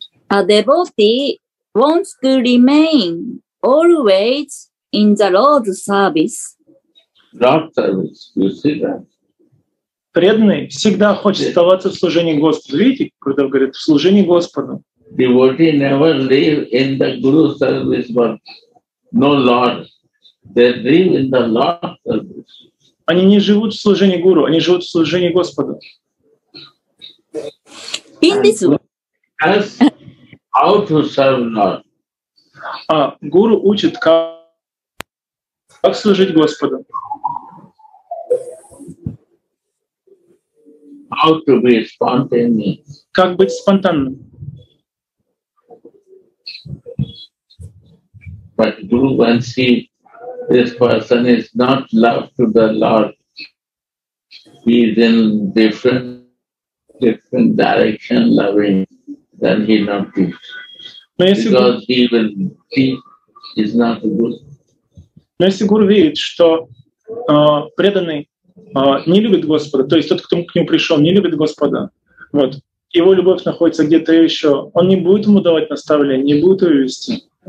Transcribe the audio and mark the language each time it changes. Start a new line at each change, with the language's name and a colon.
English: A devotee wants to remain always in the Lord's service. Lord's service, you see that?
Russian: Преданный всегда хочет оставаться в служении Господу. Видите, Гурудев говорит, в служении Господу.
English: Devotee never live in the Guru's service, but no Lord. They live in the Lord's service.
Russian: Они не живут в служении Гуру, они живут в служении Господу.
English: In this way. How to serve Lord.
Russian: А Гуру учит, как служить Господу.
English: How to be spontaneous?
Russian: Как быть спонтанным?
English: But Guru wants to see this person is not love to the Lord. He is in different direction loving than he not do. Because he will see is not good.
Russian: Но если Гуру видит, что преданный не любит Господа, то есть тот, кто к нему пришел, не любит Господа, вот, его любовь находится где-то еще, он не будет ему давать наставления, не будет его вести.